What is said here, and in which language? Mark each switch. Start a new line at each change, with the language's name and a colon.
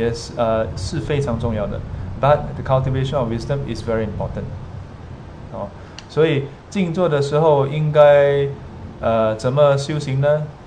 Chinese: 但修智慧也是非常重要的.
English: But the cultivation of wisdom is very important.
Chinese: 所以静坐的时候应该怎么修行呢?